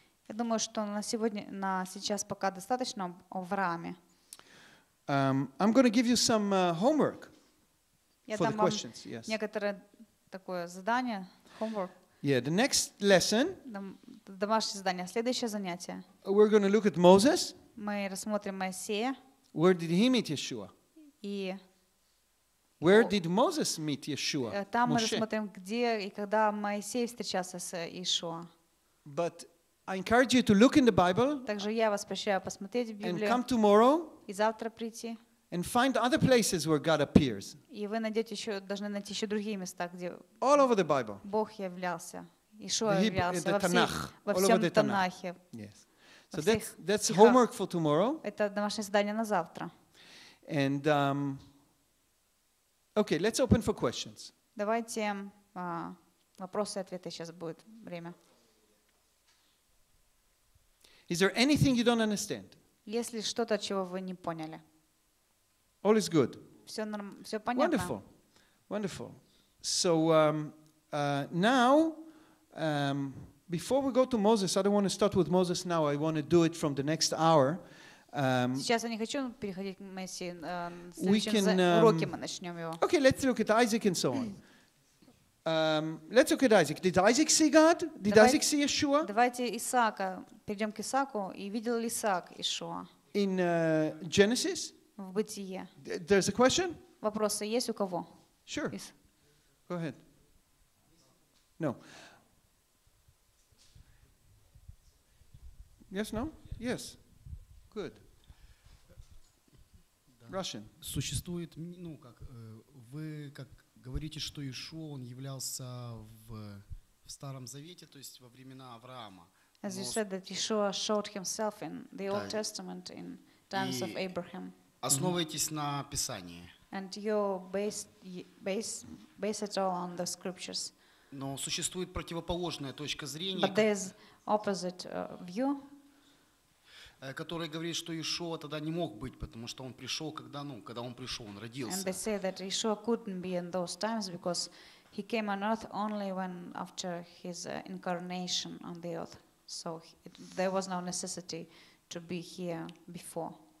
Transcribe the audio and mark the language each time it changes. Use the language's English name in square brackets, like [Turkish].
[Russian] Я думаю, что на сегодня, на сейчас пока достаточно о Аврааме. [English] I'm going to give you some homework for the questions. [Russian] Yes. Некоторое такое задание, homework. [English] Yeah, the next lesson. [Russian] Домашнее задание, следующее занятие. [English] We're going to look at Moses. [Russian] Мы рассмотрим Моисея. [English] Where did he meet Yeshua? [Russian] И [English] Where did Moses meet Yeshua? [Russian] Там мы рассмотрим, где и когда Моисей встречался с Иешуа. [English] But I encourage you to look in the Bible. [Russian] Также я вас прошу посмотреть в Библию. [English] And come tomorrow. [Russian] И завтра прийти. [English] And find other places where God appears. [Russian] И вы найдете еще должны найти еще другие места, где. [English] All over the Bible. [Russian] Бог являлся, Иешуа являлся во Танах. Во всем Танахе. [English] Yes. So that's homework for tomorrow. [Russian] Это домашнее задание на завтра. [English] And okay, let's open for questions. [Russian] Давайте вопросы и ответы сейчас будет время. [English] Is there anything you don't understand? [Russian] Если что-то, чего вы не поняли. [English] All is good. [Russian] Все норм, все понятно. [English] Wonderful, wonderful. So now, before we go to Moses, I don't want to start with Moses now. I want to do it from the next hour. [Russian] Сейчас я не хочу переходить к Моисею. [English] We can. [Russian] Уроки мы начнем его. [English] Okay, let's look at Isaac and so on. Let's look at Isaac. Did Isaac see God? Did Isaac see Yeshua? [Russian] Давайте Исаака. Перейдем к Исааку. И видел ли Исаак Иешуа? [English] In Genesis? [Russian] В Бытие. [English] There's a question? [Russian] Вопросы есть у кого? [English] Sure. Go ahead. No. Yes, no? Yes. Good. Russian. [Russian] Существует, ну, как вы как говорите, что Иешуа, он являлся в Старом Завете, то есть во времена Авраама. [English] As you said that Yeshua showed himself in the Old Testament in times of Abraham. [Russian] Основывайтесь на Писании. [English] And you base it all on the scriptures. [Russian] Но существует противоположная точка зрения. [English] But there's opposite view. [Russian] Который говорит, что Иешуа тогда не мог быть, потому что он пришел, когда, ну, когда он пришел, он родился. [English] And they say that Yeshua couldn't be in those times because he came on earth only when after his incarnation on the earth. So there was no necessity to be here before.